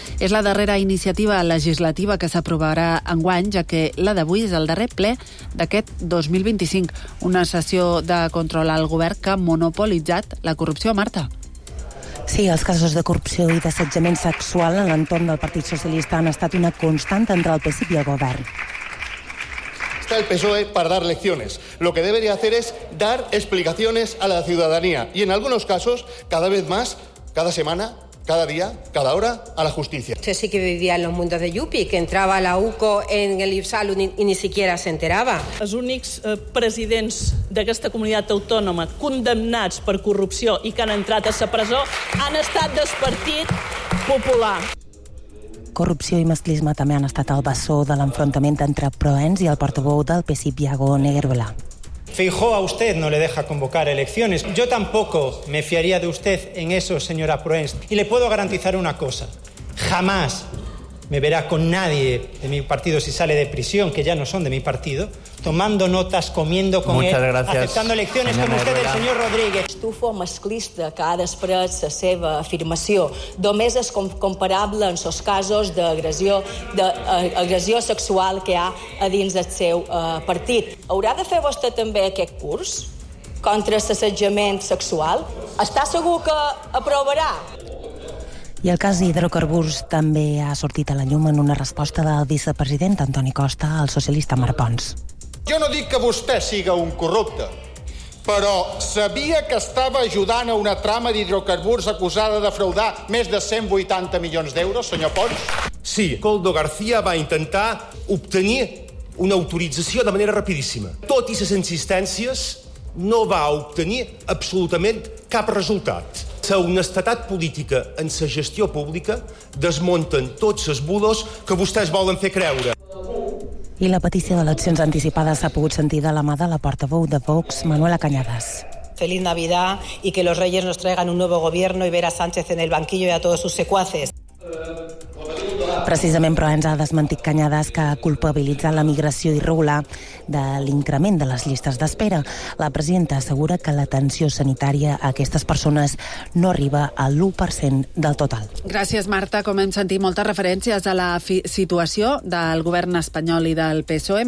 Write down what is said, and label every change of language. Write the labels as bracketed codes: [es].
[ca] És la darrera iniciativa legislativa que s'aprovarà enguany, ja que la d'avui és el darrer ple d'aquest 2025, una sessió de control al govern que ha monopolitzat la corrupció. Marta. Sí, els casos de corrupció i d'assetjament sexual en l'entorn del Partit Socialista han estat una constant entre el PSC i el govern. [es] El PSOE para dar lecciones. Lo que debería hacer es dar explicaciones a la ciudadanía y en algunos casos cada vez más, cada semana, cada día, cada hora, a la justicia. Usted sí que vivía en los mundos de Yupi, que entraba a la UCO en el Ipsal y ni siquiera se enteraba. [ca] Els únics presidents d'aquesta comunitat autònoma condemnats per corrupció i que han entrat a la presó han estat del Partit Popular. Corrupció i masclisme també han estat el bessó de l'enfrontament entre Proens i el portaveu del PSC, Iago Negueruela. [es] Feijóo a usted no le deja convocar elecciones. Yo tampoco me fiaría de usted en eso, señora Proens. Y le puedo garantizar una cosa. Jamás me verá con nadie de mi partido si sale de prisión, que ya no son de mi partido, tomando notas, comiendo con Muchas él, gracias, aceptando elecciones con usted, el señor Rodríguez. [ca] Estufa masclista que ha desprès la seva afirmació. Només és comparable en els casos d'agressió sexual que hi ha a dins del seu partit. Haurà de fer vostè també aquest curs contra l'assetjament sexual? Està segur que aprovarà? I el cas d'Hidrocarburs també ha sortit a la llum en una resposta del vicepresident Antoni Costa al socialista Marc Pons. Jo no dic que vostè siga un corrupte, però sabia que estava ajudant a una trama d'Hidrocarburs acusada de fraudar més de 180 milions d'euros, senyor Pons? Sí, Koldo García va intentar obtenir una autorització de manera rapidíssima. Tot i les insistències, no va obtenir absolutament cap resultat. L'honestetat política en la gestió pública desmunten tots els bulos que vostès volen fer creure. I la petició d'eleccions anticipades s'ha pogut sentir de la mà de la portaveu de Vox, Manuela Cañadas. [es] Feliz Navidad y que los reyes nos traigan un nuevo gobierno y ver a Sánchez en el banquillo y a todos sus secuaces. [ca] Precisament, però, ens ha desmentit Cañadas que culpabilitza la migració irregular de l'increment de les llistes d'espera. La presidenta assegura que l'atenció sanitària a aquestes persones no arriba a l'1% del total. Gràcies, Marta. Com hem sentit, moltes referències a la situació del govern espanyol i del PSOE.